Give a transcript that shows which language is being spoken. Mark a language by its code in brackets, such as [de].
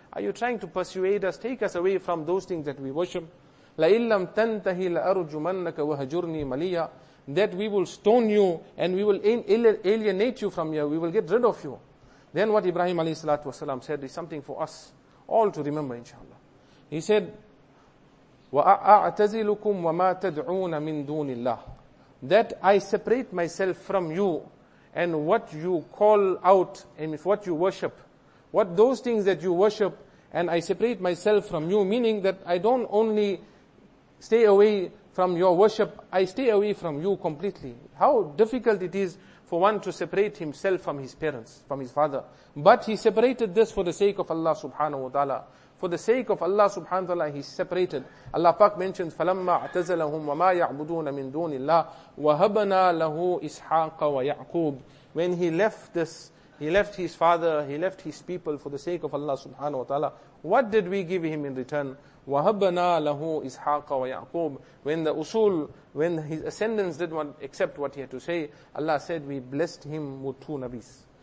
[en] Are you trying to persuade us, take us away from those things that we worship? [ar] لَإِنْ لَمْ تَنْتَهِ لَأَرُجُمَنَّكَ وَهَجُرْنِي مَلِيَّا. [en] That we will stone you and we will alienate you from here. We will get rid of you. Then what Ibrahim alayhi salatu wasalam said is something for us all to remember, inshallah. He said, [ar] وَأَعْتَزِلُكُمْ وَمَا تَدْعُونَ مِن دُونِ اللَّهِ. [en] That I separate myself from you and what you call out and what you worship. What those things that you worship, and I separate myself from you, meaning that I don't only stay away from your worship, I stay away from you completely. How difficult it is for one to separate himself from his parents, from his father. But he separated this for the sake of Allah subhanahu wa ta'ala. For the sake of Allah subhanahu wa ta'ala, he separated. Allah Pak mentions, [ar] فَلَمَّا اَعْتَزَلَهُمْ وَمَا يَعْبُدُونَ مِن دُونِ اللَّهِ وَهَبَنَا لَهُ إِسْحَاقَ وَيَعْقُوبَ. [en] When he left this, he left his father, he left his people for the sake of Allah subhanahu wa ta'ala. What did we give him in return? [ar] وَهَبَّنَا لَهُ إِسْحَاقَ وَيَعْقُوبَ. [en] When the usul, when his ascendants did not accept what he had to say, Allah said, we blessed him with two nabis.